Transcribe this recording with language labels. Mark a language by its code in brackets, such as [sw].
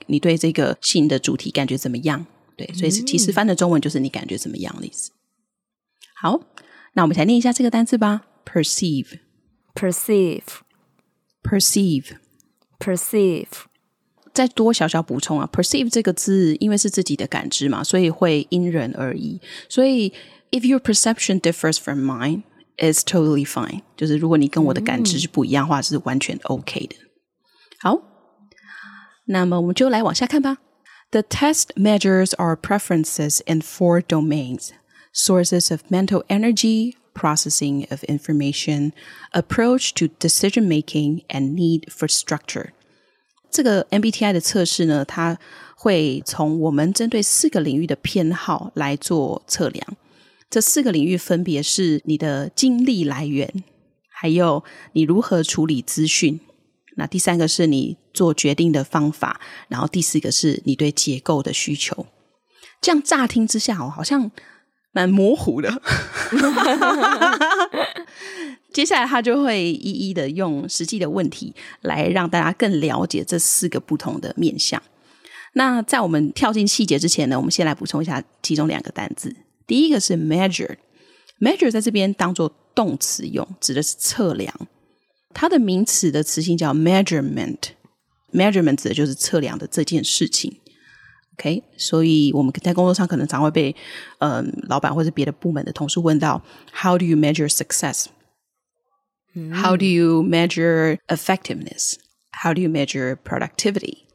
[zh] 你对这个新的主题感觉怎么样？对，所以其实翻的中文就是你感觉怎么样的意思。好，那我们来念一下这个单字吧。 [en] Perceive, perceive, perceive, perceive. [zh] 再多小小补充啊， perceive 这个字因为是自己的感知嘛，所以会因人而异。所以 [en] if your perception differs from mine, it's totally fine. [zh] 就是如果你跟我的感知是不一样的话，是完全 OK 的。好，那么我们就来往下看吧。 [en] The test measures our preferences in four domains: sources of mental energy. Processing of information, approach to decision making, and need for structure. [zh] 这个 MBTI 的测试呢，它会从我们针对四个领域的偏好来做测量。这四个领域分别是你的精力来源，还有你如何处理资讯。那第三个是你做决定的方法，然后第四个是你对结构的需求。这样乍听之下，好像蛮模糊的。接下来他就会一一的用实际的问题来让大家更了解这四个不同的面向。那在我们跳进细节之前呢，我们先来补充一下其中两个单字。第一个是 measure， measure 在这边当作动词用，指的是测量。它的名词的词性叫 measurement， measurement 指的就是测量的这件事情。 OK， 所以我们在工作上可能常会被老板或是别的部门的同事问到 [en] How do you measure success? How do you measure effectiveness? How do you measure productivity?